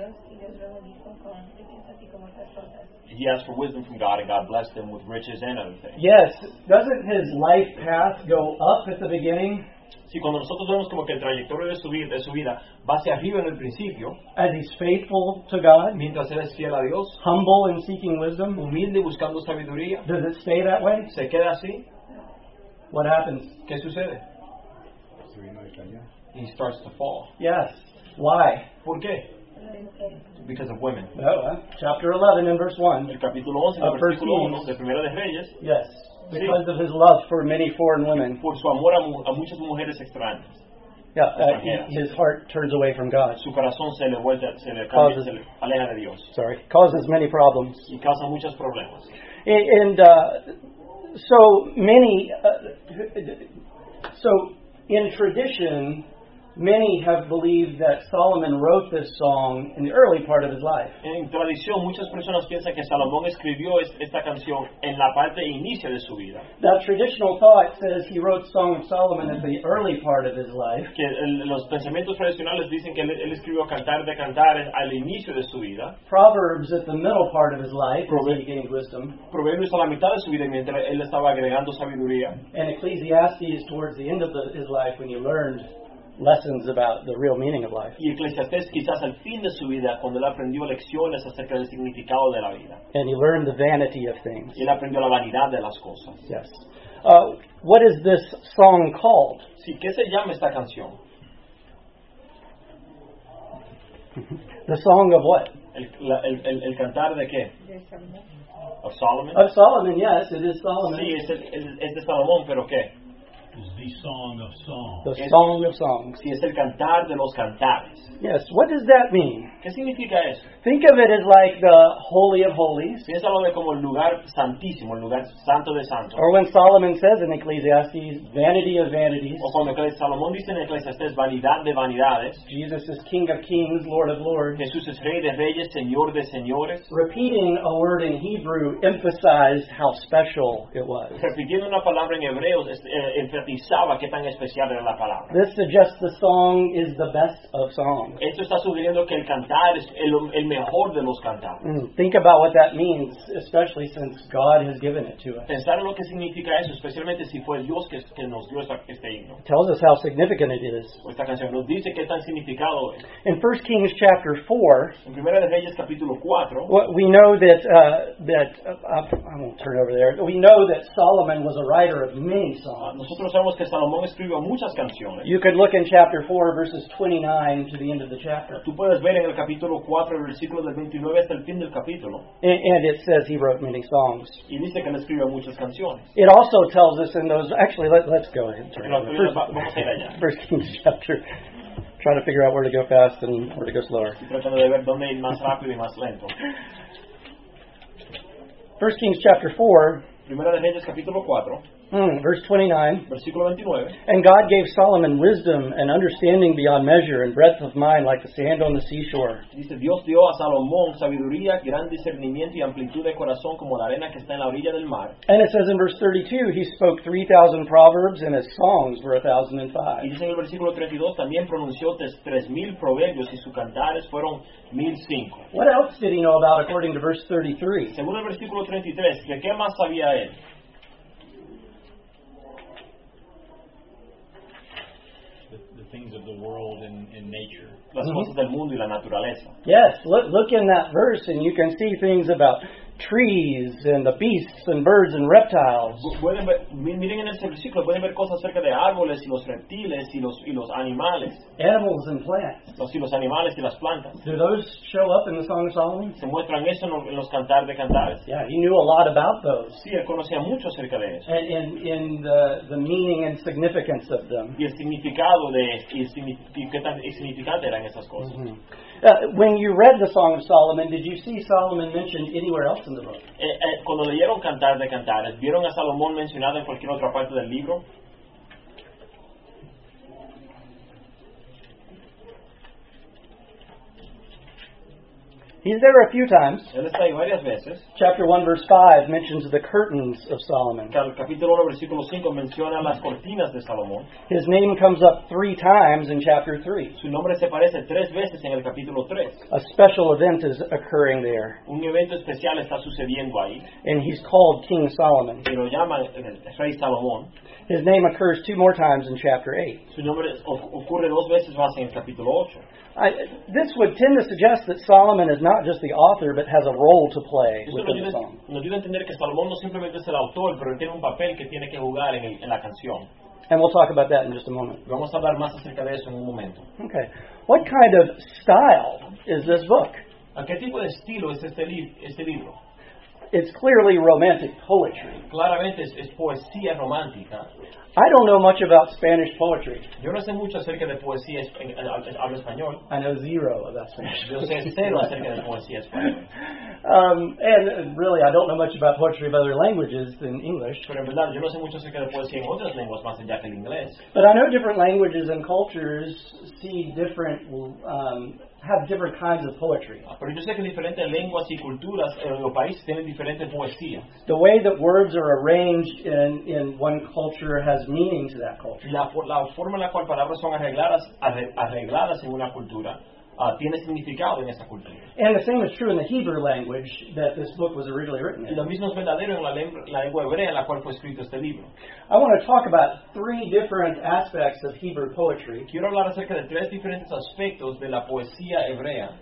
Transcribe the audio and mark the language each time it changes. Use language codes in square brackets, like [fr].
[en] He asked for wisdom from God, and God blessed him with riches and other things. Yes. Doesn't his life path go up at the beginning? [es] Sí, cuando nosotros vemos como que el trayectorio de su vida va hacia arriba en el principio, [en] as he's faithful to God, [es] mientras él es fiel a Dios, [en] humble in seeking wisdom, [es] humilde buscando sabiduría, [en] does it stay that way? [es] ¿Se queda así? [en] What happens? [es] ¿Qué sucede? Se vino de caña. [en] He starts to fall. Yes. Why? [es] ¿Por qué? [en] Because of women. Chapter 11 and verse 1. [es] El capítulo 11, el versículo 1, de Primera de Reyes. [en] Yes. Because of his love for many foreign women. [es] Por su amor a muchas mujeres extrañas. [en] Yeah, his heart turns away from God. [es] Su corazón se le aleja de Dios. [en] Sorry. Causes many problems. [es] Y causa muchos problemas. [en] And so in tradition, Many have believed that Solomon wrote this song in the early part of his life. [es] En tradición, muchas personas piensan que Salomón escribió esta canción en la parte inicial de su vida. [en] The traditional thought says he wrote Song of Solomon at the early part of his life. [es] Que los pensamientos tradicionales dicen que él escribió Cantar de Cantares al inicio de su vida. [en] Proverbs at the middle part of his life, as he gained wisdom. [es] Proverbios a la mitad de su vida mientras él estaba agregando sabiduría. [en] And Ecclesiastes towards the end of his life when he learned lessons about the real meaning of life. [es] Y Ecclesiastes quizás al fin de su vida cuando él aprendió lecciones acerca del significado de la vida. [en] And he learned the vanity of things. [es] Y él aprendió la vanidad de las cosas. [en] Yes. What is this song called? [es] Sí, ¿qué se llama esta canción? [en] The song of what? [es] El cantar de qué? [en] Of Solomon. Of Solomon. Of Solomon, yes, it is Solomon. [es] Sí, es de Salomón, pero ¿qué? [en] The Song of Songs. The Song of Songs. [es] Sí, es el cantar de los cantares. [en] Yes, what does that mean? [es] ¿Qué significa eso? [en] Think of it as like the Holy of Holies. [es] Piénsalo como el lugar santísimo, el lugar santo de santos. [en] Or when Solomon says in Ecclesiastes, vanity of vanities. [es] O cuando Salomón dice en Ecclesiastes, vanidad de vanidades. [en] Jesus is King of Kings, Lord of Lords. [es] Jesús es Rey de Reyes, Señor de Señores. [en] Repeating a word in Hebrew emphasized how special it was. [es] Repitiendo una palabra en hebreo enfatizaba qué tan especial era la palabra. [en] This suggests the song is the best of songs. [es] Esto está sugiriendo que el cantar es el mejor de los cantares. [en] Think about what that means, especially since God has given it to us. [es] Pensar en lo que significa eso, especialmente si fue Dios que nos dio este himno. [en] It tells us how significant it is. [es] Esta canción nos dice qué tan significado es. [en] In 1 Kings chapter 4, [es] en Primera de Reyes capítulo 4, [en] we know that I won't turn over there. We know that Solomon was a writer of many songs. [es] Nosotros sabemos que Salomón escribió muchas canciones. [en] You could look in chapter 4 verses 29 to the end of the chapter. [es] Tú puedes ver en el capítulo 4 el versículo del 29 hasta el fin del capítulo. [en] And it says he wrote many songs. [es] Y dice que él escribió muchas canciones. [en] It also tells us in those, actually let's go ahead and turn first Kings chapter, trying to figure out where to go fast and where to go slower. [es] Tratando de ver dónde ir más rápido y más lento. [en] 1 Kings chapter 4, [es] Primera de Reyes capítulo 4. [en] Verse 29. [es] Versículo 29. [en] And God gave Solomon wisdom and understanding beyond measure and breadth of mind like the sand on the seashore. [es] Dice, Dios dio a Salomón sabiduría, gran discernimiento y amplitud de corazón como la arena que está en la orilla del mar. [en] And it says in verse 32, he spoke 3,000 proverbs and his songs were 1,005. [es] Y dice en el versículo 32, también pronunció 3,000 proverbios y sus cantares fueron 1,005. [en] What else did he know about according to verse 33? [es] Según el versículo 33, ¿qué más sabía él? [en] Things of the world and nature. [es] Las cosas del mundo y la naturaleza. [en] Yes, look in that verse and you can see things about trees and the beasts and birds and reptiles. [es] Miren en ese versículo, pueden ver cosas acerca de árboles y los reptiles y los animales. [en] Animals and plants. [es] Los animales y las plantas. [en] Do those show up in the Song of Solomon? [es] Se muestran eso en los cantares de cantares. [en] Yeah, he knew a lot about those. [es] Sí, él conocía mucho acerca de eso. [en] And in the meaning and significance of them. [es] Y el significado de qué tan significante eran esas cosas. Mm-hmm. [en] When you read the Song of Solomon, did you see Solomon mentioned anywhere else in the book? [es] Cuando leyeron Cantar de Cantares, ¿vieron a Salomón mencionado en cualquier otra parte del libro? [en] He's there a few times. [es] Él está ahí varias veces. [en] Chapter 1, verse 5 mentions the curtains of Solomon. [es] Capítulo 1, versículo 5 menciona las cortinas de Salomón. [en] His name comes up 3 times in chapter 3. [es] Su nombre se aparece 3 veces en el capítulo 3. [en] A special event is occurring there. [es] Un evento especial está sucediendo ahí. [en] And he's called King Solomon. [es] Y lo llama el Rey Salomón. [en] His name occurs 2 more times in chapter 8. [es] Su nombre ocurre 2 veces más en el capítulo 8. [en] This would tend to suggest that Solomon is not just the author, but has a role to play within the song. [es] Nos ayuda a entender que Salomón no simplemente es el autor, pero tiene un papel que tiene que jugar en la canción. [en] And we'll talk about that in just a moment. [es] Vamos a hablar más acerca de eso en un momento. [en] Okay. What kind of style is this book? [es] ¿A qué tipo de estilo es este libro? [en] It's clearly romantic poetry. [es] Claramente es poesía romántica. [en] I don't know much about Spanish poetry. [es] Yo no sé mucho acerca de poesía habla español. [en] I know zero about Spanish. [es] Yo sé cero acerca de poesía española. [en] And really, I don't know much about poetry of other languages than English. [es] Pero en verdad, yo no sé mucho acerca de poesía en otras lenguas más allá que el inglés. [en] But I know different languages and cultures see different, have different kinds of poetry. [es] Pero yo sé que diferentes lenguas y culturas en los países tienen diferentes poesías. [en] The way that words are arranged in one culture has meaning to that culture. [es] La forma en la cual palabras son arregladas en una cultura. Tiene significado en esa cultura. [en] And the same is true in the Hebrew language that this book was originally written in. [es] Y lo mismo es verdadero en la lengua hebrea en la cual fue escrito este libro. [en] I want to talk about three different aspects of Hebrew poetry. [es] Quiero hablar acerca de tres diferentes aspectos de la poesía hebrea.